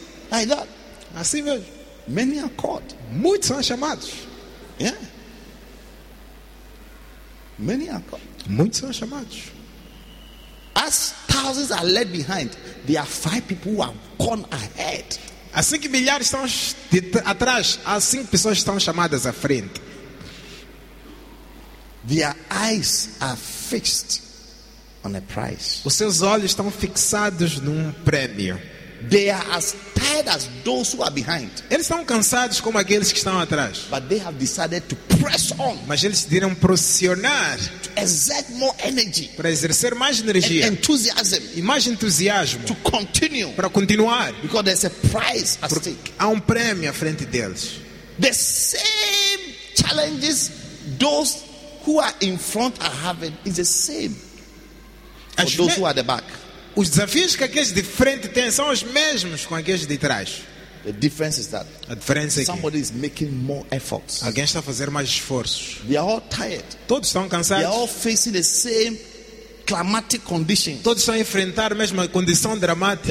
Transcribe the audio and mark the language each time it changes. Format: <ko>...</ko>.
<en>Like that.</en> <pt>Assim mesmo.</pt> <en>Many are called.</en> <pt>Muitos são chamados.</pt> <en>Yeah. Many are called.</en> <pt>Muitos são chamados.</pt> <en>As thousands are left behind, there are 5 people who have gone ahead.</en> <pt>Assim que milhares estão atrás, há 5 pessoas estão chamadas à frente.</pt> <en>Their eyes are fixed on a prize.</en> <pt>Os seus olhos estão fixados num prêmio.</pt> <en>They are as tired as those who are behind.</en> <pt>Eles estão cansados como aqueles que estão atrás.</pt> <en>But they have decided to press on.</en> <pt>Mas eles decidiram pressionar.</pt> <en>To exert more energy.</en> <pt>Para exercer mais energia.</pt> <en>And enthusiasm.</en> <pt>E mais entusiasmo.</pt> <en>To continue.</en> <pt>Para continuar.</pt> <en>Because there's a prize at stake.</en> <pt>Há prêmio à frente deles.</pt> <en>The same challenges those who are in front are having is the same for those who are at the back.</en> <pt>Os desafios que aqueles de frente têm são os mesmos com aqueles de trás.</pt> <en>The difference is that</en> <pt>a diferença é que</pt> <en>somebody is making more efforts.</en> <pt>Alguém está a fazer mais esforços.</pt> <en>They are all tired.</en> <pt>Todos estão cansados.</pt> <en>They are all facing the same climatic conditions.</en> <pt>Todos estão a enfrentar a mesma condição dramática.</pt>